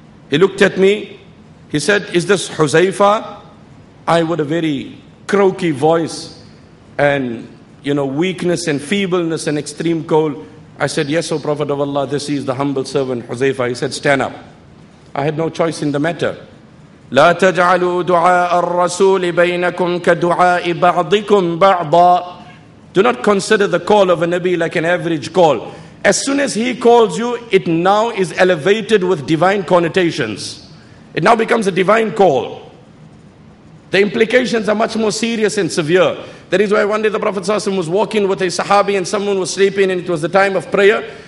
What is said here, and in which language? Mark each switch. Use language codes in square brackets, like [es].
[en] He looked at me, he said, is this Huzaifa? I with a very croaky voice, and you know, weakness and feebleness and extreme cold. I said, yes, O Prophet of Allah, this is the humble servant, Huzaifa. He said, stand up. I had no choice in the matter. [ar] لا تجعلوا دعاء الرسول بينكم كدعاء بعضكم بعضا. [en] Do not consider the call of a Nabi like an average call. As soon as he calls you, it now is elevated with divine connotations. It now becomes a divine call. The implications are much more serious and severe. That is why one day the Prophet ﷺ was walking with a Sahabi and someone was sleeping and it was the time of prayer.